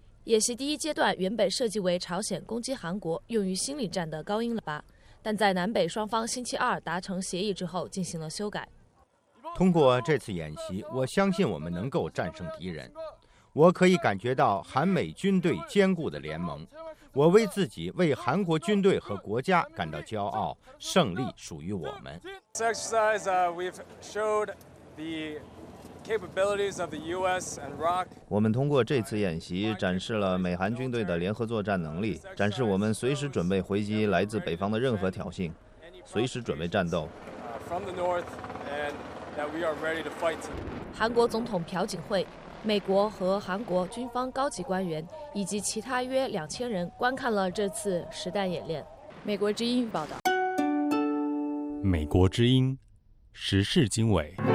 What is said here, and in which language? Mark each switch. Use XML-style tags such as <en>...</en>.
<zh>演习第一阶段原本设计为朝鲜攻击韩国用于心理战的高音喇叭，但在南北双方星期二达成协议之后进行了修改。通过这次演习，我相信我们能够战胜敌人。我可以感觉到韩美军队坚固的联盟，我为自己、为韩国军队和国家感到骄傲，胜利属于我们。</zh> <en>This exercise, we've showed the capabilities of the U.S. and ROK.</en> <zh>我们通过这次演习展示了美韩军队的联合作战能力，展示我们随时准备回击来自北方的任何挑衅，随时准备战斗。</zh> <en>From the north, and that we are ready to fight.</en> <zh>韩国总统朴槿惠。美国和韩国军方高级官员以及其他约2000人观看了这次实弹演练。美国之音报道。美国之音时事经纬。</zh>